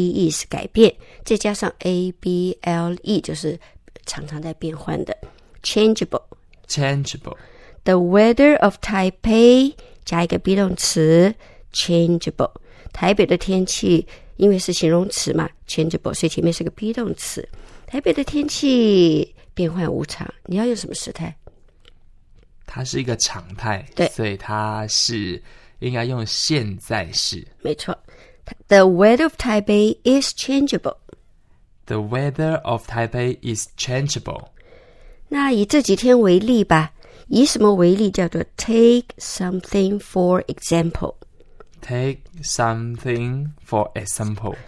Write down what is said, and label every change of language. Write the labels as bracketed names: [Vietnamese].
[Chinese] 是改变，再加上 able 就是常常在变换的 changeable [English] The weather of Taipei [Chinese] 加一个 be 动词 changeable， 台北的天气因为是形容词嘛 changeable， 所以前面是个 be 动词，台北的天气变换无常，你要用什么时态？它是一个常态，对，所以它是应该用现在式，没错。 [English] The weather of Taipei is changeable The weather of Taipei is changeable. [Chinese] 那以这几天为例吧，以什么为例叫做 [English] take something for example. Take something for example.